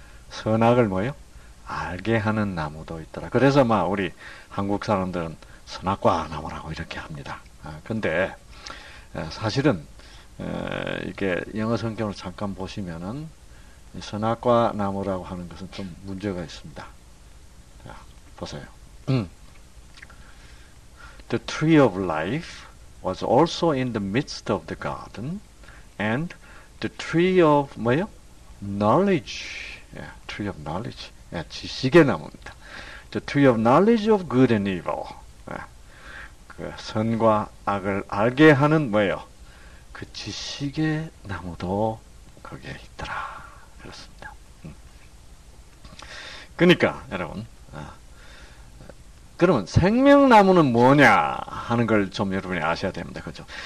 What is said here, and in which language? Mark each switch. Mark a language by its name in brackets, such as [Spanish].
[Korean] 선악을 뭐요? 알게 하는 나무도 있더라. 그래서 막 우리 한국 사람들은 선악과 나무라고 이렇게 합니다. 근데 사실은 이게 영어 성경을 잠깐 보시면은 선악과 나무라고 하는 것은 좀 문제가 있습니다. 자, 보세요. [English] The tree of life was also in the midst of the garden, and the tree of [Korean] 뭐요? [English] Knowledge, yeah, tree of knowledge, yeah, [Korean] 지식의 나무입니다. [English] The tree of knowledge of good and evil, yeah. [Korean] 그 선과 악을 알게 하는 뭐요? 그 지식의 나무도 거기에 있더라. 그렇습니다. 그러니까 여러분. 그러면 생명나무는 뭐냐 하는 걸좀 여러분이 아셔야 됩니다. 그렇죠?